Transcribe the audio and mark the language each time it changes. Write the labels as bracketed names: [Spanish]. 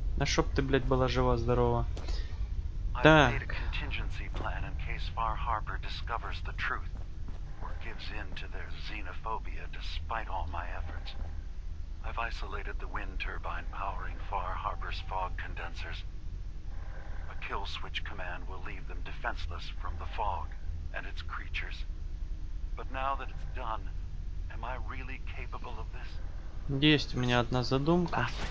[Russian] На чтоб ты, блядь, была жива, здорова. [English] I've made a contingency plan in case Far Harbor discovers the truth or gives in to their xenophobia despite all my efforts. I've isolated the wind turbine powering Far Harbor's fog condensers. A kill switch command will leave them defenseless from the fog and its creatures. But now that it's done, am I really capable of this? [Russian] Есть у меня одна задумка.